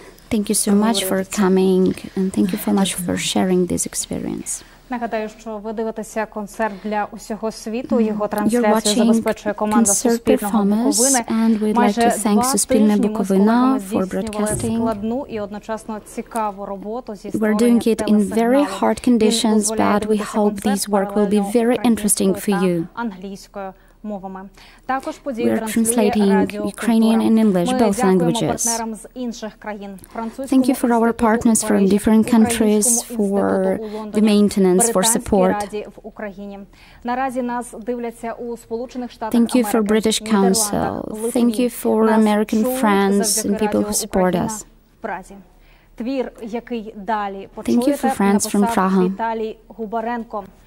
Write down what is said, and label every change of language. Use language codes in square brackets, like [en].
[en] Thank you so much for coming, and thank you so much for sharing this experience. [uk] Нагадаю, що ви дивитеся концерт для усього світу. Його трансляцію забезпечує команда Суспільного Буковини. Майже два тижні ми з вами здійснювали складну і одночасно цікаву роботу зі створенням телесигналу. [en] We're doing it in very hard conditions, but we hope this work will be very interesting for you. [uk] Англійською мовами. Також подію транслює Радіо Культура. Ми дякуємо партнерам з інших країн. [en] Thank you for our partners from different countries for the maintenance, for support. [uk] Наразі нас дивляться у Сполучених Штатах [en] Америки. Thank you for British Council. Thank you for American friends and people who support us. [uk] Твір, який далі почуєте, написав Віталій Губаренко.